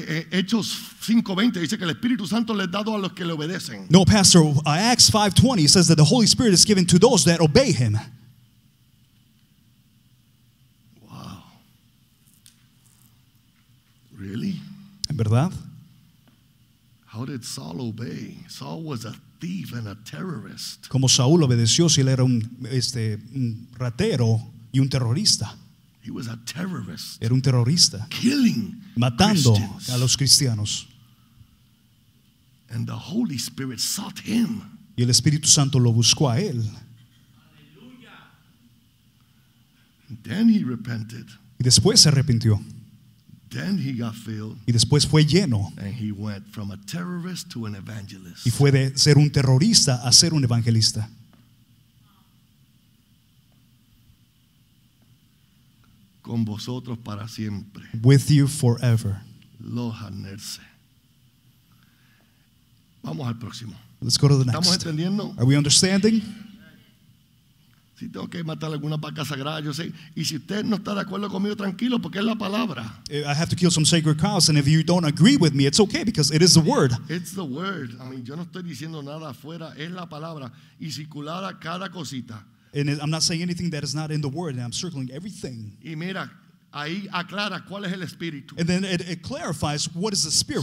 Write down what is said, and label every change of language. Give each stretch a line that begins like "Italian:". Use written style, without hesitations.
Spanish: Hechos 5:20 dice que el Espíritu Santo le es dado a los que le obedecen.
English: No, pastor, Acts 5:20 says that the Holy Spirit is given to those that obey him. Wow. Really?
Spanish: ¿En verdad?
English: How did Saul obey? Saul was a thief and a terrorist.
Spanish: ¿Cómo Saúl obedeció si él era un un ratero y un terrorista?
English: He was a terrorist.
Spanish: Era un terrorista.
English: Killing.
Spanish: Matando
English: Christians.
Spanish: A los cristianos.
English: And the Holy Spirit sought him.
Spanish: Y el Espíritu Santo lo buscó a él.
English: Then he repented.
Spanish: Y después se arrepintió.
English: Then he got filled.
Spanish: Y después fue lleno.
English: And he went from a terrorist to an evangelist.
Spanish: Y fue de ser un terrorista a ser un evangelista. Con vosotros para siempre.
English: With you forever. Lojanerse.
Spanish: Vamos al próximo.
English: Let's go to the next.
Spanish: ¿Estamos entendiendo?
English: Are we understanding?
Spanish: Si tengo que matar alguna vaca sagrada, yo sé. Y si usted no está de acuerdo conmigo, tranquilo, porque es la palabra.
English: I have to kill some sacred cows, and if you don't agree with me, it's okay, because it is the word. It's the word. I mean,
Spanish: yo no estoy diciendo nada afuera, es la palabra. Y circular a cada cosita.
English: And I'm not saying anything that is not in the word, and I'm circling everything.
Spanish: Y mira, Ahí aclara cuál es el espíritu.
English: And then it clarifies what is the spirit.